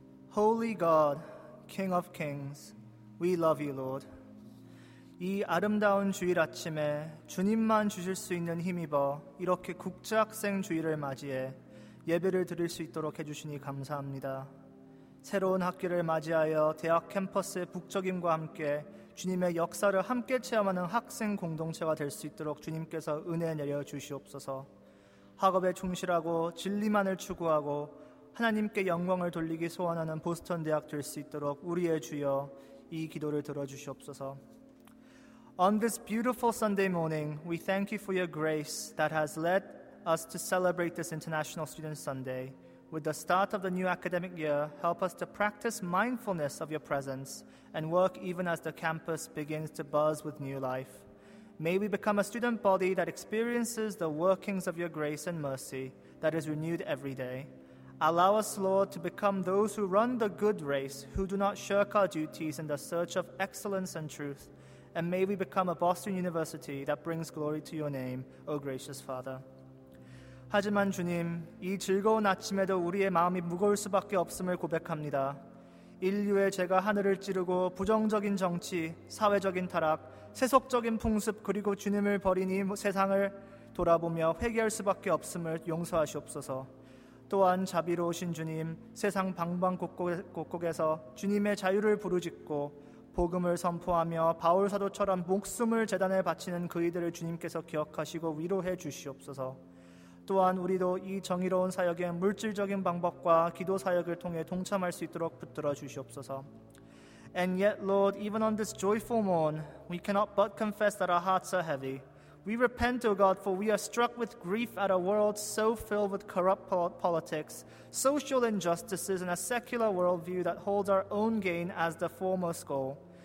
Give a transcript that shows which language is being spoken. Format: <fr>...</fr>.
<en>Holy God, King of Kings, we love you, Lord.</en> <ko>이 아름다운 주일 아침에 주님만 주실 수 있는 힘입어 이렇게 국제학생 주일을 맞이해 예배를 드릴 수 있도록 해주시니 감사합니다. 새로운 학기를 맞이하여 대학 캠퍼스의 북적임과 함께 주님의 역사를 함께 체험하는 학생 공동체가 될 수 있도록 주님께서 은혜 내려 주시옵소서. 학업에 충실하고 진리만을 추구하고 하나님께 영광을 돌리기 소원하는 보스턴 대학 될 수 있도록 우리의 주여 이 기도를 들어주시옵소서.</ko> <en>On this beautiful Sunday morning, we thank you for your grace that has led us to celebrate this International Student Sunday. With the start of the new academic year, help us to practice mindfulness of your presence and work even as the campus begins to buzz with new life. May we become a student body that experiences the workings of your grace and mercy that is renewed every day. Allow us, Lord, to become those who run the good race, who do not shirk our duties in the search of excellence and truth. And may we become a Boston University that brings glory to your name, O gracious Father.</en> <ko>하지만 주님, 이 즐거운 아침에도 우리의 마음이 무거울 수밖에 없음을 고백합니다. 인류의 죄가 하늘을 찌르고 부정적인 정치, 사회적인 타락, 세속적인 풍습 그리고 주님을 버린 이 세상을 돌아보며 회개할 수밖에 없음을 용서하시옵소서. 또한 자비로우신 주님, 세상 방방곡곡에서 주님의 자유를 부르짖고 복음을 선포하며 바울사도처럼 목숨을 제단에 바치는 그이들을 주님께서 기억하시고 위로해 주시옵소서. 또한 우리도 이 정의로운 사역에 물질적인 방법과 기도 사역을 통해 동참할 수 있도록 붙들어 주시옵소서.</ko> <en>And yet, Lord, even on this joyful morn, we cannot but confess that our hearts are heavy. We repent, O God, for we are struck with grief at a world so filled with corrupt politics, social injustices, and a secular worldview that holds our own gain as the foremost goal.</en>